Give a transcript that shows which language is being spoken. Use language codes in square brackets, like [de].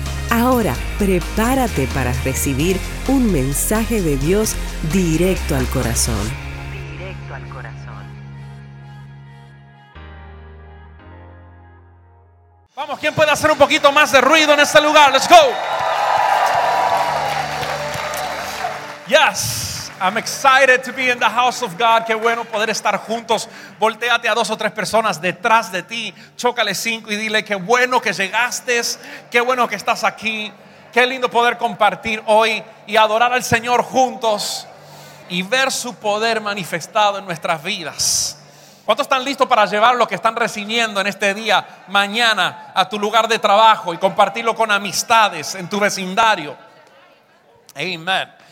[es] Ahora, prepárate para recibir un mensaje de Dios directo al corazón. Vamos, ¿quién puede hacer un poquito más de ruido en este lugar? [en] Let's go. Yes, I'm excited to be in the house of God. [es] Qué bueno poder estar juntos. Voltéate a dos o tres personas detrás de ti. Chócale cinco y dile qué bueno que llegaste. Qué bueno que estás aquí. Qué lindo poder compartir hoy y adorar al Señor juntos y ver su poder manifestado en nuestras vidas. ¿Cuántos están listos para llevar lo que están recibiendo en este día, mañana, a tu lugar de trabajo y compartirlo con amistades en tu vecindario? Amén.